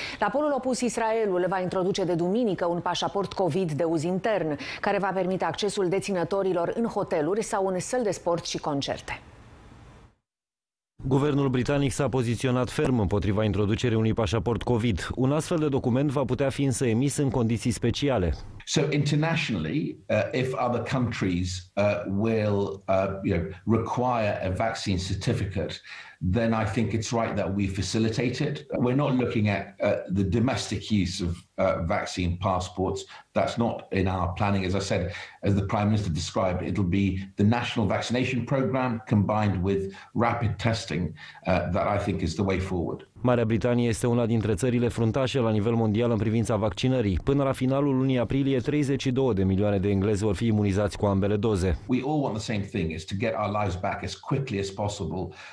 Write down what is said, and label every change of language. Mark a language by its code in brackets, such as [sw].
[ro] La polul opus, Israelul va introduce de duminică un pașaport COVID de uz intern, care va permite accesul deținătorilor în hoteluri sau în săli de sport și concerte. Guvernul britanic s-a poziționat ferm împotriva introducerii unui pașaport COVID. Un astfel de document va putea fi însă emis în condiții speciale. [en] So internationally, if other countries will require a vaccine certificate, then I think it's right that we facilitate it. We're not looking at the domestic use of vaccine passports. That's not in our planning. As I said, as the Prime Minister described, it'll be the national vaccination program combined with rapid testing that I think is the way forward. [ro] Marea Britanie este una dintre țările fruntașe la nivel mondial în privința vaccinării. Până la finalul lunii aprilie, 32 de milioane de englezi vor fi imunizați cu ambele doze. [en] We all want the same thing, is to get our lives back as quickly as possible.